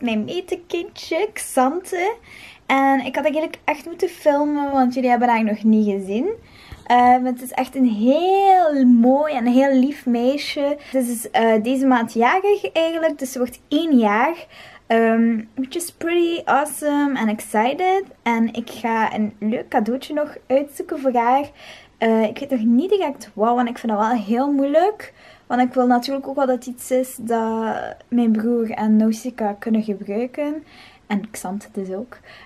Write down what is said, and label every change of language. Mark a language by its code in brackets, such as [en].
[nl] Mijn metekindje, Xante. En ik had eigenlijk echt moeten filmen, want jullie hebben haar nog niet gezien. Het is echt een heel mooi en heel lief meisje. Ze is deze maand jarig eigenlijk, dus ze wordt 1 jaar. [en] Which is pretty awesome and excited. [nl] En ik ga een leuk cadeautje nog uitzoeken voor haar. Ik weet nog niet direct wat, want ik vind dat wel heel moeilijk. Want ik wil natuurlijk ook wel dat iets is dat mijn broer en Nausicaa kunnen gebruiken. En Xante dus ook.